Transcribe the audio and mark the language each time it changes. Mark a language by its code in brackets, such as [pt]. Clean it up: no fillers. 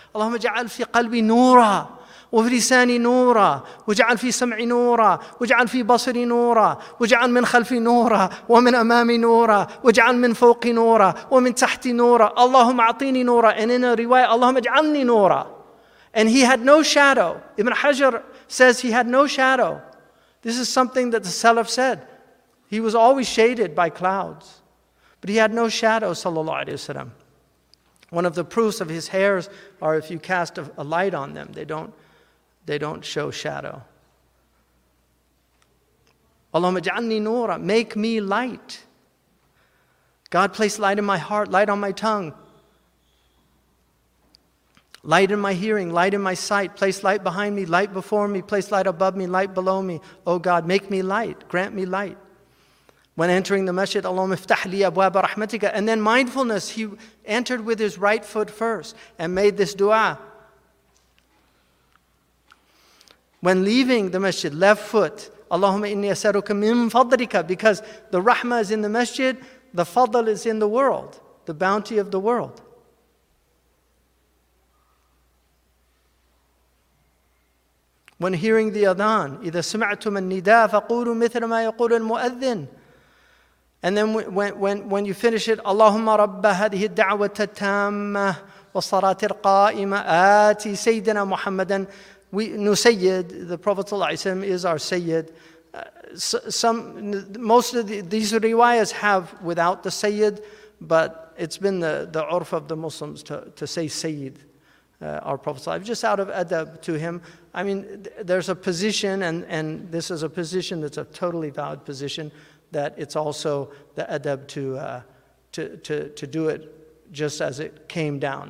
[ar] اللهم اجعل في قلبي نورا وفي لساني نورا واجعل في سمعي نورا واجعل في بصري نورا واجعل من خلفي نورا ومن أمامي نورا واجعل من فوقي نورا ومن تحتي نورا. اللهم اعطيني نورا. [en] And in a [ar] رواية, اللهم اجعلني نورا. [en] And he had no shadow. Ibn Hajar says he had no shadow. This is something that the Salaf said. He was always shaded by clouds. But he had no shadow, sallallahu alayhi wa sallam. One of the proofs of his hairs are if you cast a light on them, they don't show shadow. [ar] Allahumma ja'alni nura, [en] make me light. God placed light in my heart, light on my tongue. Light in my hearing, light in my sight, place light behind me, light before me, place light above me, light below me. Oh God, make me light, grant me light. When entering the masjid, [ar] Allahumma iftah li abwaab rahmatika. [en] And then mindfulness, he entered with his right foot first and made this dua. When leaving the masjid, left foot, [ar] Allahumma inni as'aluka min fadlika, [en] because the rahmah is in the masjid, the fadl is in the world, the bounty of the world. When hearing the adhan, [ar] إِذَا سُمِعْتُمَ النِّدَاءَ فَقُولُوا مِثْلَ مَا يَقُولُ الْمُؤَذِّنِ. [en] And then when you finish it, [ar] اللَّهُمَّ رَبَّ هَذِهِ الدَّعْوَةَ التَّامَّةِ وَالصَّلَاةِ الْقَائِمَةِ آتِي سَيِّدَنَا مُحَمَّدًا. [en] We, no Sayyid, the Prophet is our Sayyid. Most of these riwayas have without the Sayyid, but it's been the urf of the Muslims to say Sayyid. Our Prophet, just out of adab to him. I mean, there's a position, and this is a position that's a totally valid position, that it's also the adab to do it just as it came down.